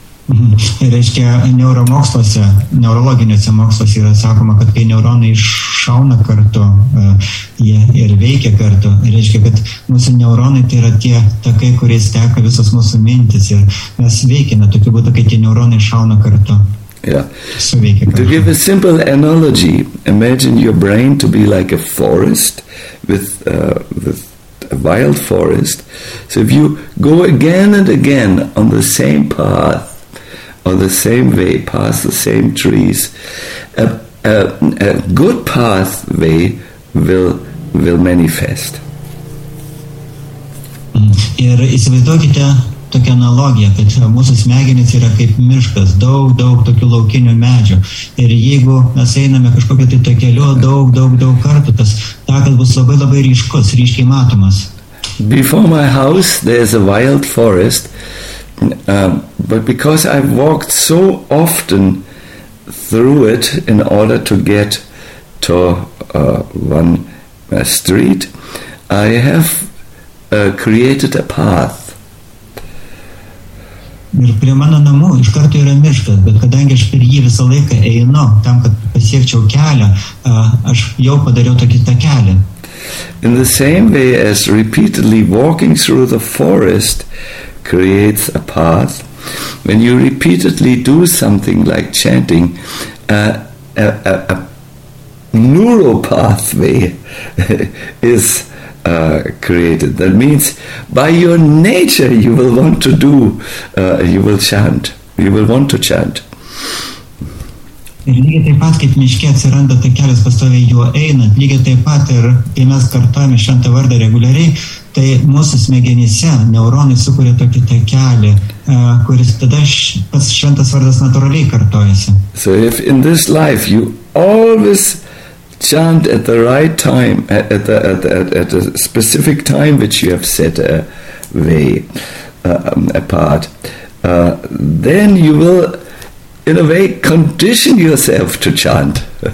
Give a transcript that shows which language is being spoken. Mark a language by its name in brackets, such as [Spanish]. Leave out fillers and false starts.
[Lithuanian] Reiškia, neuromoksluose, neurologiniuose moksluose yra sakoma, kad kai neuronai iššauna kartu, jie ir veikia kartu. Reiškia, kad mūsų neuronai tai yra tie takai, kuriais teka visos mūsų mintis ir mes veikiame tokiu būdu, kai tie neuronai šauna kartu. [English] Yeah. To give a simple analogy, imagine your brain to be like a forest with a wild forest. So if you go again and again on the same path, on the same way, past the same trees, a good pathway will manifest. [Lithuanian] Ir įsivaizduokite tokią analogiją, kad mūsų smegenys yra kaip miškas, daug tokių laukinių medžių. Ir jeigu mes einame kažkokio tai to keliu daug kartų, tas takas bus labai ryškus, ryškiai matomas. [English] Before my house there is a wild forest. But because I walked so often through it in order to get to one street, I have created a path. [Lithuanian] Ir prie mano namų iš karto yra miškas, bet kadangi aš per jį visą laiką einu, tam, kad pasiekčiau kelią, aš jau padariau tokį tą kelią. [English] In the same way as repeatedly walking through the forest creates a path, when you repeatedly do something like chanting, a neural pathway is created. That means by your nature you will want to do, you will chant, you will want to chant. [Lithuanian] Ir lygiai taip pat, kaip miške atsiranda tai kelias pastoviai juo einant, lygiai taip pat ir kai mes kartuojame šventą vardą reguliariai, tai mūsų smegenyse neuronai sukuria tokį tą kelią, kuris tada pas šventas vardas natūraliai kartuojasi. [English] So if in this life you always chant at the right time, at a specific time which you have set a way apart, then you will in a way condition yourself to chant.